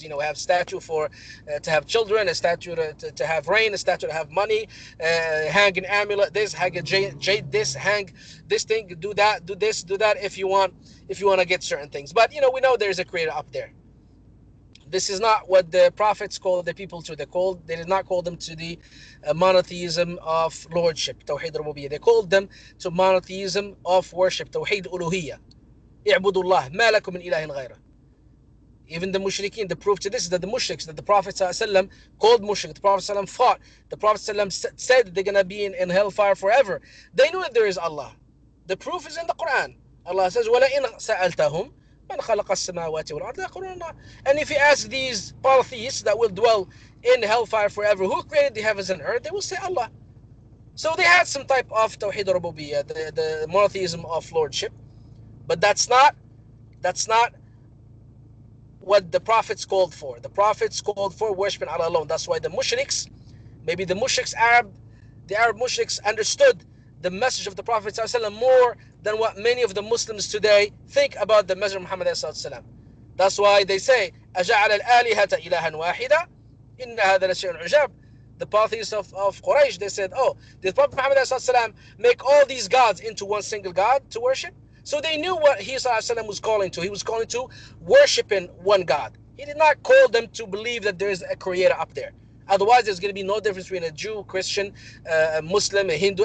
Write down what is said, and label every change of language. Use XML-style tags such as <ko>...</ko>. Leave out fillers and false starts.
<en>You know, we have statue for to have children, a statue to have rain, a statue to have money, hang an amulet, this, hang a jade, this, hang this thing, do that, do this, do that, if you want to get certain things. But you know, we know there's a creator up there. This is not what the prophets called the people to. They did not call them to the monotheism of lordship, tawhid rububiyyah. They called them to monotheism of worship, tawhid uluhiyyah.</en> <ar>اعبدوا الله ما لكم من إله غيره.</ar> <en>Even the mushrikeen, the proof to this is that the mushriks, that the Prophet ﷺ called mushrik, the Prophet ﷺ fought, the Prophet ﷺ said that they're going to be in hellfire forever. They knew that there is Allah. The proof is in the Quran. Allah says,</en> <ar>وَلَئِنْ سَأَلْتَهُمْ مَنْ خَلَقَ السَّمَاوَاتِ وَالْأَرْضِ لَيَقُولُنَّ اللَّهُ.</ar> <en>And if you ask these polytheists that will dwell in hellfire forever, who created the heavens and earth, they will say Allah. So they had some type of tawhid rububiyyah, the monotheism of lordship. But that's not what the prophets called for. The prophets called for worshiping Allah alone. That's why the mushriks, maybe the mushriks, the Arab mushriks understood the message of the Prophet ﷺ more than what many of the Muslims today think about the message of Muhammad ﷺ. That's why they say,</en> <ar>أجعل الآلهة إلها واحدة إن هذا لشيء عجاب.</ar> <en>The polytheists of Quraysh, they said, oh, did Prophet Muhammad ﷺ make all these gods into one single god to worship? So they knew what he ﷺ was calling to. He was calling to worshiping one God. He did not call them to believe that there is a creator up there. Otherwise, there's going to be no difference between a Jew, Christian, a Muslim, a Hindu.</en>